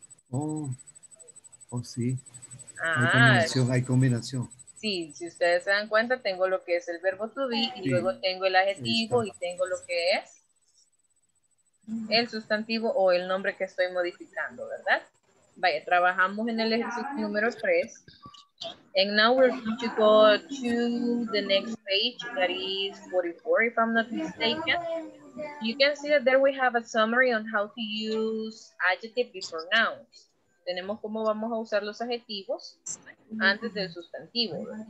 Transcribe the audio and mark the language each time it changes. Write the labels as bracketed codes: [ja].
[es] Oh, sí. Ah, hay combinación. Sí, si ustedes se dan cuenta, tengo lo que es el verbo to be y luego tengo el adjetivo y tengo lo que es. El sustantivo o el nombre que estoy modificando, ¿verdad? Vaya, trabajamos en el ejercicio número 3. [en] And now we're going to go to the next page, that is 44, if I'm not mistaken. You can see that there we have a summary on how to use adjective before nouns. [es] Tenemos cómo vamos a usar los adjetivos antes del sustantivo.